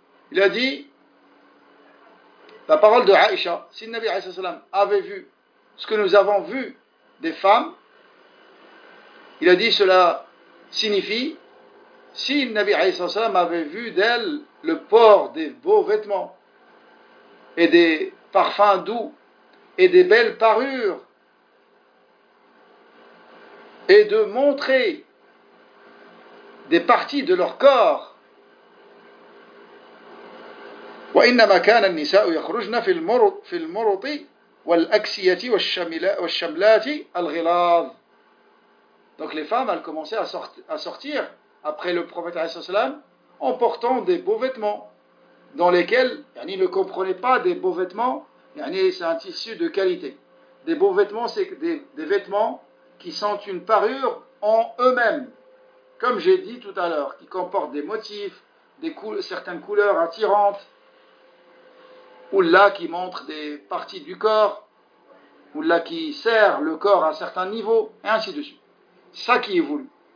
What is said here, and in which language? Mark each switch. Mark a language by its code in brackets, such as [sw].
[fr] Il a dit la parole de Aïcha, si le Nabi alayhi salam avait vu ce que nous avons vu des femmes, il a dit cela signifie, si le Nabi alayhi salam avait vu d'elle le port des beaux vêtements et des parfums doux et des belles parures et de montrer des parties de leur corps. [ar] وإنما كان النساء يخرجن في المرط والأكسية والشملات الغلاظ. [fr] Donc les femmes, elles commençaient à sortir après le prophète [ar] عليه الصلاة والسلام [fr] en portant des beaux vêtements dans lesquels, yani, ils ne comprenaient pas des beaux vêtements, yani, c'est un tissu de qualité. Des beaux vêtements, c'est des vêtements qui sont une parure en eux-mêmes, comme j'ai dit tout à l'heure, qui comportent des motifs, certaines couleurs attirantes, ou là qui montre des parties du corps, ou là qui sert le corps à certains niveaux, et ainsi de suite. Ça qui est voulu.